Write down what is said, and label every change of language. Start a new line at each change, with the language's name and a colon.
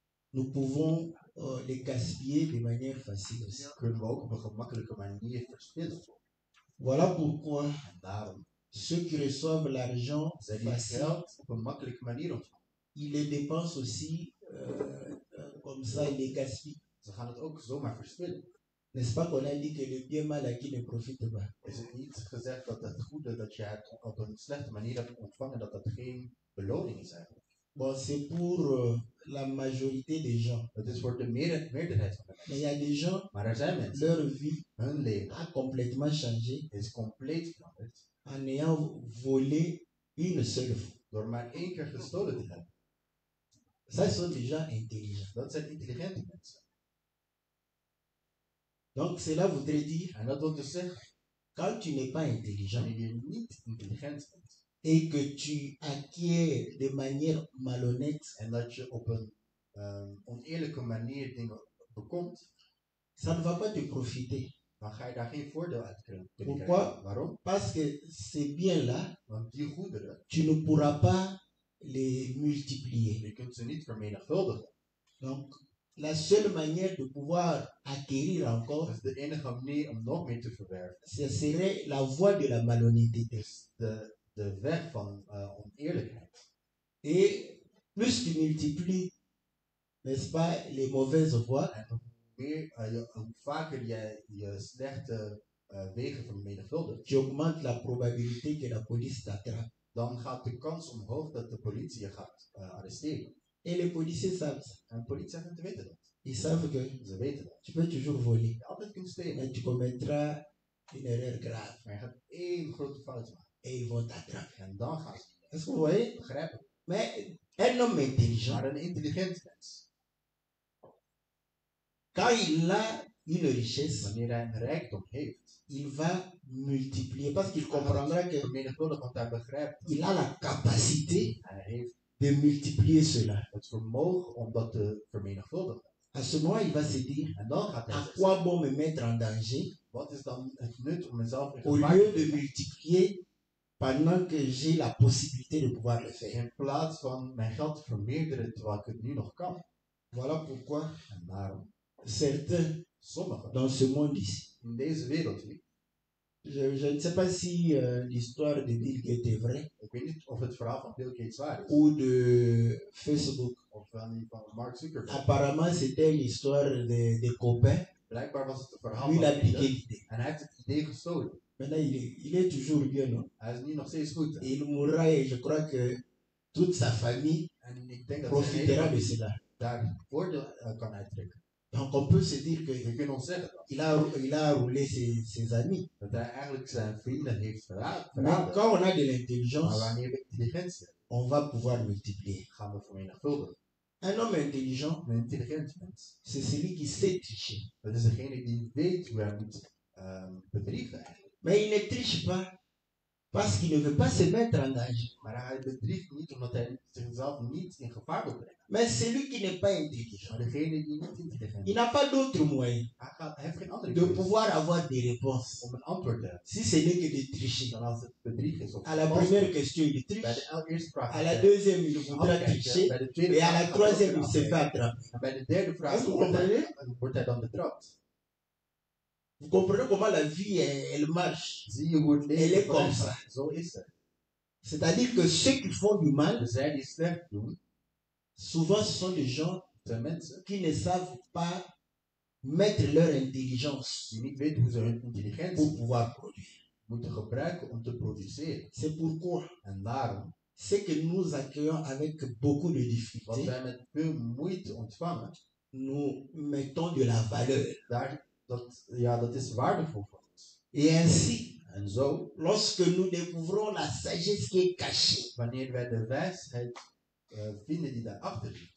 French: nous pouvons les gaspiller de manière facile aussi.
Dutch: Ja, kunnen we ook op een gemakkelijke manier verspillen.
French: Voilà pourquoi,
Dutch: en daarom,
French: ceux qui reçoivent l'argent,
Dutch: zij die geld op een makkelijke manier ontvangen,
French: ils les dépensent aussi, comme ça, ils les gaspillent.
Dutch: Ze gaan het ook zomaar verspillen.
French: N'est-ce pas qu'on a dit que le bien mal acquis ne profite pas?
Dutch: Is het niet gezegd dat het goede dat je hebt op een slechte manier hebt ontvangen, dat dat geen beloning is eigenlijk?
French: Bon, c'est pour la majorité des gens.
Dutch: Dat is voor de meerderheid van de mensen.
French: Mais y a des gens,
Dutch: maar er zijn mensen,
French: leur vie,
Dutch: hun leven,
French: a complètement changé,
Dutch: is compleet veranderd,
French: en ayant volé une seule fois.
Dutch: Door maar één keer gestolen te hebben. Zij
French: sont des gens intelligents.
Dutch: Dat zijn intelligente mensen.
French: Donc cela voudrait dire,
Dutch: en dat wil dus zeggen,
French: quand tu n'es pas intelligent,
Dutch: wanneer je niet intelligent bent,
French: et que tu acquiert de manière malhonnête,
Dutch: en dat je op een oneerlijke manier dingen bekomt,
French: ça ne va pas te profiter.
Dutch: Dan ga je daar geen voordeel uit kunnen krijgen.
French: Pourquoi?
Dutch: Waarom?
French: Parce que c'est bien là,
Dutch: want die goederen,
French: tu ne pourras pas les multiplier.
Dutch: Je kunt ze niet vermenigvuldigen.
French: Donc, la seule manière de pouvoir acquérir encore,
Dutch: dat is de enige manier om nog meer te verwerven.
French: Ce serait la voie de la malhonnêteté.
Dutch: Dus de weg van oneerlijkheid.
French: Et plus tu multiplies, n'est-ce pas, les mauvaises voies,
Dutch: en hoe vaker jij je slechte wegen vermenigvuldigt,
French: tu augmentes la probabilité que la police t'attrape.
Dutch: Dan gaat de kans omhoog dat de politie je gaat arresteren.
French: Et les policiers savent.
Dutch: En politieagenten weten dat.
French: Ils savent que,
Dutch: ze weten dat.
French: Tu peux toujours voler.
Dutch: Je altijd kunt stelen.
French: Et tu commettras une erreur grave.
Dutch: Maar je gaat één grote fout maken.
French: Et ils vont t'attraper.
Dutch: En dan gaan ze.
French: Est-ce que vous voyez?
Dutch: Begrijpen.
French: Mais un homme intelligent.
Dutch: Maar een intelligent mens.
French: Quand il a une richesse,
Dutch: wanneer hij een rijkdom heeft,
French: il va multiplier. Parce qu'il comprendra que,
Dutch: vermenigvuldigen, want hij begrijpt,
French: il a la capacité.
Dutch: Hij heeft
French: de multiplier cela.
Dutch: Het vermogen om dat te vermenigvuldigen.
French: À ce moment, il va se dire, à quoi bon me mettre en danger?
English: What is the need to myself?
French: Au lieu de multiplier pendant que j'ai la possibilité de pouvoir le faire.
Dutch: In plaats van mijn geld vermeerderen terwijl ik het nu nog kan.
French: Voilà pourquoi.
Dutch: En daarom.
French: Certains.
Dutch: Sommigen.
French: Dans ce monde ici.
Dutch: In deze wereld.
French: Oui. Je ne sais pas si l'histoire de Bill Gates est vraie.
Dutch: Ik weet niet of het verhaal van Bill Gates waar is.
French: Ou de Facebook.
Dutch: Of van die van Mark Zuckerberg.
French: Apparemment c'était une histoire de copains.
Dutch: Blijkbaar was het een verhaal
French: lui
Dutch: van Bill Gates. En hij heeft het idee gestolen.
French: Maintenant, il est toujours bien, non?
Dutch: Hij is nu nog steeds goed.
French: Hein? Il mourra et je crois que toute sa famille profitera de cela.
Dutch: Daar voordeel kan uittrekken.
French: Donc on peut se dire que
Dutch: we kunnen ons zeggen
French: il a roulé ses amis.
Dutch: Dat hij eigenlijk zijn vrienden heeft verraden. Maar
French: quand on a de l'intelligence,
Dutch: maar wanneer we intelligentie hebben,
French: on va pouvoir multiplier.
Dutch: Gaan we vermenigvuldigen.
French: Un homme intelligent,
Dutch: een intelligent mens,
French: c'est celui qui sait tricher.
Dutch: Dat is degene die weet hoe hij moet bedriegen.
French: Mais il ne triche pas parce qu'il ne veut pas se mettre en danger.
Dutch: Maar hij bedriegt niet omdat hij zichzelf niet in gevaar wil brengen.
French: Mais celui qui n'est pas intelligent,
Dutch: degene die niet intelligent
French: is, il n'a pas d'autre moyen de pouvoir avoir des réponses.
Dutch: Om een antwoord te hebben.
French: Si ce n'est que de tricher,
Dutch: dan als het bedrieg is.
French: À la première question, il triche.
Dutch: Bij de eerste vraag.
French: À la deuxième, il voudra tricher. Et à la troisième, il se fait attraper.
Dutch: Bij de derde vraag, wordt hij dan betrapt.
French: Vous comprenez comment la vie elle marche?
Dutch: Zie je,
French: elle est comme ça.
Dutch: Zo is het.
French: C'est-à-dire que ceux qui font du mal,
Dutch: zij die slecht doen,
French: souvent ce sont des gens
Dutch: de mensen,
French: qui ne savent pas mettre leur intelligence,
Dutch: die niet weten hoe ze hun intelligentie
French: pour pouvoir produire,
Dutch: moeten gebruiken om te produceren.
French: C'est pourquoi,
Dutch: en daarom,
French: ce que nous accueillons avec beaucoup de difficultés,
Dutch: wat wij met veel moeite ontvangen,
French: nous mettons de la valeur.
Dutch: Daar dat, ja, dat is waardevol voor ons.
French: Et ainsi,
Dutch: en zo,
French: lorsque nous découvrons la sagesse qui est cachée,
Dutch: wanneer wij de wijsheid vinden die daarachter zit,